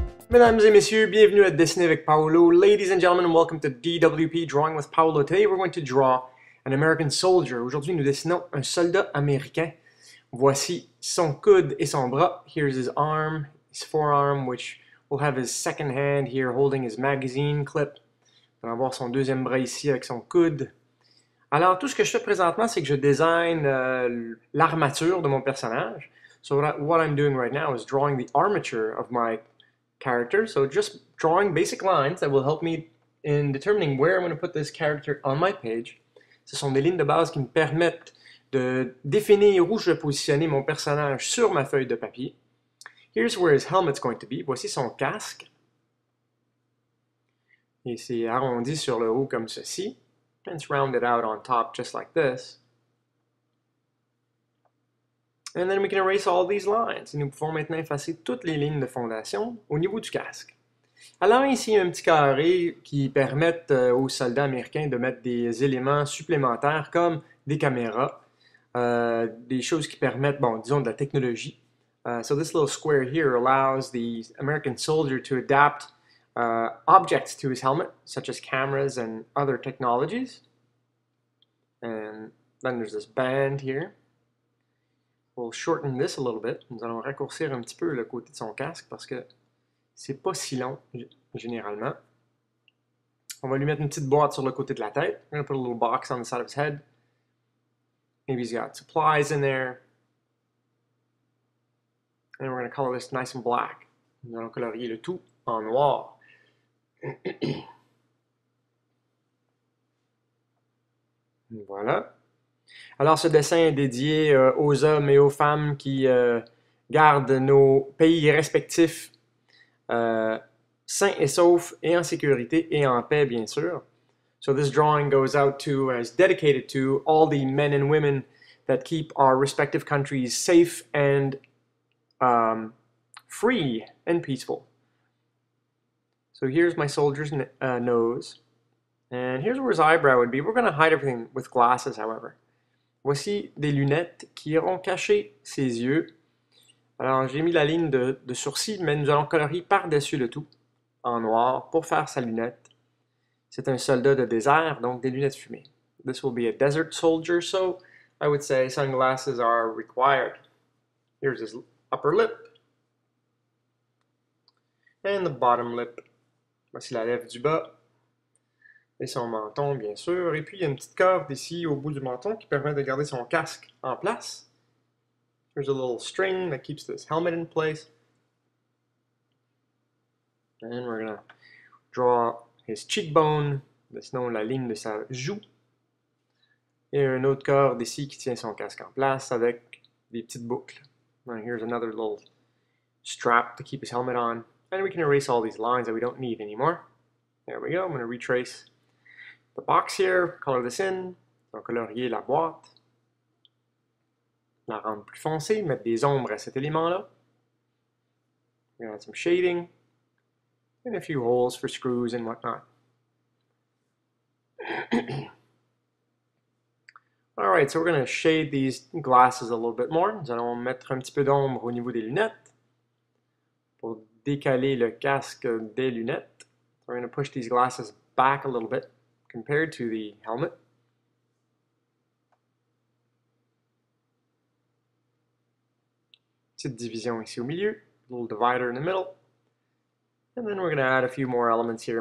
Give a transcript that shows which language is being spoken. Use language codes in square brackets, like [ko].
[fr] Mesdames et messieurs, bienvenue à Dessiner avec Paolo. [en] Ladies and gentlemen, welcome to DWP Drawing with Paolo. Today we're going to draw an American soldier. [fr] Aujourd'hui, nous dessinons un soldat américain. Voici son coude et son bras. [en] Here's his arm, his forearm, which will have his second hand here holding his magazine clip. [fr] On va avoir son deuxième bras ici avec son coude. Alors, tout ce que je fais présentement, c'est que je design l'armature de mon personnage. [en] So what I'm doing right now is drawing the armature of my character, so just drawing basic lines that will help me in determining where I'm going to put this character on my page. [fr] Ce sont des lignes de base qui me permettent de définir où je vais positionner mon personnage sur ma feuille de papier. [en] Here's where his helmet's going to be. [fr] Voici son casque. Et c'est arrondi sur le haut comme ceci. [en] And it's rounded out on top just like this. And then we can erase all these lines. [fr] Et nous pouvons maintenant effacer toutes les lignes de fondation au niveau du casque. Alors ici, un petit carré qui permet aux soldats américains de mettre des éléments supplémentaires comme des caméras, des choses qui permettent, bon, disons, de la technologie. [en] So this little square here allows the American soldier to adapt objects to his helmet, such as cameras and other technologies. And then there's this band here. We'll shorten this a little bit. [fr] Nous allons raccourcir un petit peu le côté de son casque parce que c'est pas si long, généralement. On va lui mettre une petite boîte sur le côté de la tête. [en] We're going to put a little box on the side of his head. Maybe he's got supplies in there. And we're going to color this nice and black. [fr] Nous allons colorier le tout en noir. Voilà. Alors, ce dessin est dédié aux hommes et aux femmes qui gardent nos pays respectifs sains et saufs et en sécurité et en paix, bien sûr. [en] So this drawing goes out to, is dedicated to all the men and women that keep our respective countries safe and free and peaceful. So here's my soldier's nose. And here's where his eyebrow would be. We're going to hide everything with glasses, however. [fr] Voici des lunettes qui iront cacher ses yeux. Alors, j'ai mis la ligne de sourcils, mais nous allons colorier par-dessus le tout en noir pour faire sa lunette. C'est un soldat de désert, donc des lunettes fumées. [en] This will be a desert soldier, so I would say sunglasses are required. Here's his upper lip. And the bottom lip. [fr] Voici la lèvre du bas. Et son menton, bien sûr. Et puis, il y a une petite corde ici au bout du menton qui permet de garder son casque en place. [en] There's a little string that keeps this helmet in place. And we're going to draw his cheekbone, [fr] dessinons la ligne de sa joue. Et une autre corde ici qui tient son casque en place avec des petites boucles. [en] And here's another little strap to keep his helmet on. And we can erase all these lines that we don't need anymore. There we go. I'm going to retrace the box here, color this in, [fr] on va colorier la boîte, la rendre plus foncée, mettre des ombres à cet élément-là. [en] We're gonna add some shading, and a few holes for screws and whatnot. Alright, so we're gonna shade these glasses a little bit more. [fr] Nous allons mettre un petit peu d'ombre au niveau des lunettes, pour décaler le casque des lunettes. [en] So we're gonna push these glasses back a little bit compared to the helmet. [fr] Petite division ici au milieu, [en] a little divider in the middle. And then we're going to add a few more elements here.